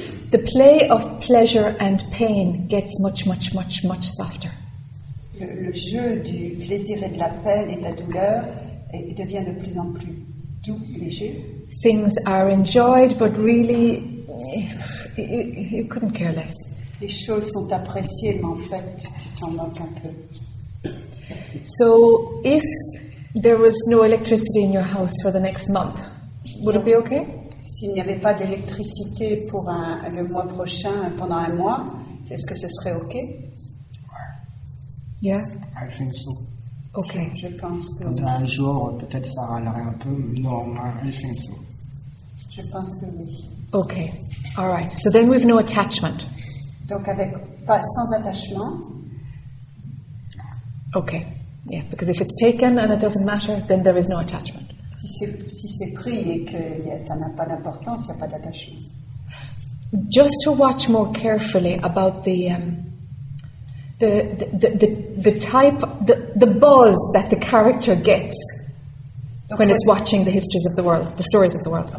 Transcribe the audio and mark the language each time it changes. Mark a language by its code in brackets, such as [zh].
[en] The play of pleasure and pain gets much, much, much, much softer. [fr] Le jeu du plaisir et de la peine et de la douleur devient de plus en plus doux, léger. [en] Things are enjoyed, but really. You couldn't care less. [fr] Les choses sont appréciées, mais en fait, tu t'en moques un peu. [en] So, if there was no electricity in your house for the next month, would it be okay? [fr] S'il n'y avait pas d'électricité pour le mois prochain, pendant un mois, est-ce que ce serait okay? [en] Yeah. I think so. Okay. [fr] Je pense que. Dans un jour, peut-être ça râlerait un peu. [en] Non, I think so. [fr] Je pense que oui. [en] Okay, all right. So then we've no attachment. [fr] Donc avec pas sans attachement. [en] Okay, yeah. Because if it's taken and it doesn't matter, then there is no attachment. [fr] Si c'est pris et que ça n'a pas d'importance, il y a pas d'attachement. [en] Just to watch more carefully about the buzz that the character gets. When it's watching the histories of the world, the stories of the world.